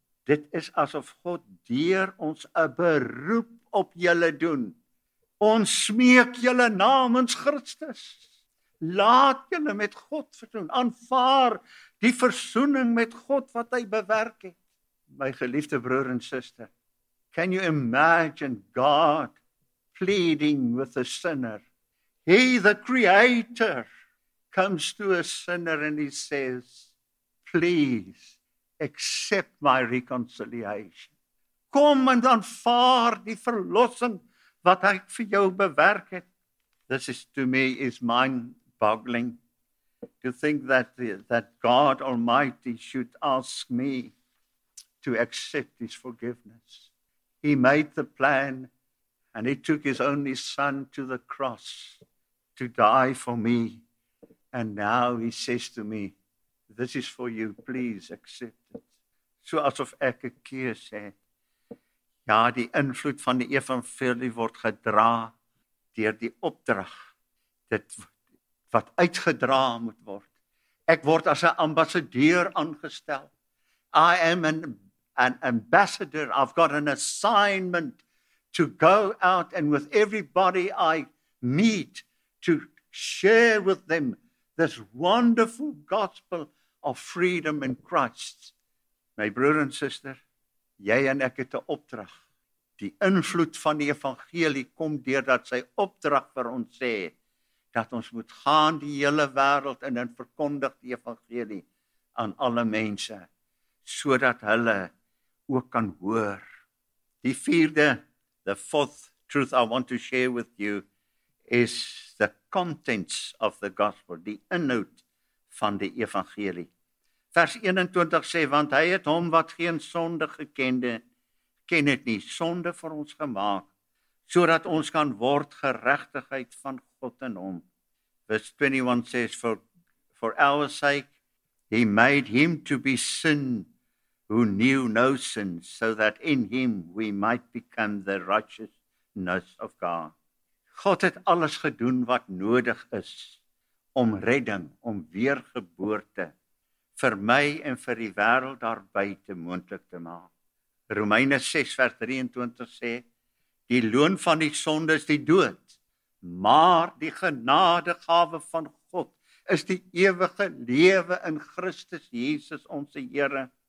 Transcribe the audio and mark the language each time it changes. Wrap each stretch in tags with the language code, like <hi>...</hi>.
<af>Dit is asof God deur ons 'n beroep op julle doen. Ons smeek julle namens Christus. Laat julle met God versoen. Aanvaar die versoening met God wat hy bewerk het. My geliefde broer en suster,</af> <en>can you imagine God pleading with a sinner? He, the Creator, comes to a sinner and he says, please accept my reconciliation.</en> <af>Kom en aanvaar die verlossing wat ek vir jou bewerk het.</af> <en>This is to me is mind-boggling to think that God Almighty should ask me to accept his forgiveness. He made the plan and he took his only son to the cross to die for me. And now he says to me, this is for you, please accept it.</en> <af>So asof ek 'n keus het. Ja, die invloed van die evangelie word gedra deur die opdrag dit wat uitgedra moet word. Ek word as 'n ambassadeur aangestel.</af> <en>I am an ambassador. I've got an assignment to go out and with everybody I meet to share with them this wonderful gospel of freedom in Christ.</en> <af>My broer en suster, jy en ek het 'n opdrag. Die invloed van die evangelie kom deurdat sy opdrag vir ons sê dat ons moet gaan die hele wêreld en dan verkondig die evangelie aan alle mense sodat hulle ook kan hoor. Die vierde,</af> <en>the fourth truth I want to share with you is the contents of the gospel,</en> <af>die inhoud van die evangelie. Vers 21 sê, want hy het hom wat geen sonde gekende, ken het nie, sonde vir ons gemaak, sodat ons kan word geregtigheid van God in hom. Vers 21 sê,</af> <en>for our sake, he made him to be sin, who knew no sin, so that in him we might become the righteousness of God.</en> <af>God het alles gedoen wat nodig is om redding, om weergeboorte vir my en vir die wêreld daar buite moontlik te maak. Romeine 6 vers 23 sê, Die loon van die sonde is die dood, maar die genadegawe van God is die ewige lewe in Christus Jesus onse Here.</af>